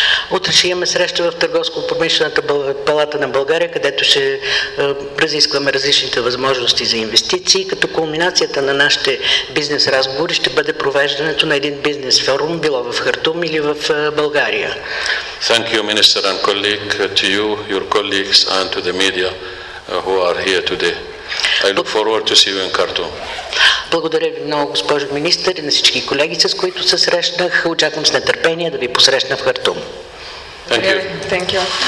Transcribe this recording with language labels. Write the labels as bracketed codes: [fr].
[bg] Утре ще имаме среща в Търговско-промишлената палата на България, където ще разискваме различните възможности за инвестиции, като кулминацията на нашите бизнес разговори ще бъде провеждането на един бизнес форум, било в Хартум или в България. [en] Thank you, Minister and colleague, to you, your colleagues and to the media who are here today. I look forward to seeing you in Khartoum. [bg] Благодаря ви много, госпожо министър, и на всички колеги, с които се срещнах. Очаквам с нетърпение да ви посрещна в Хартум. [en] Thank you. Thank you.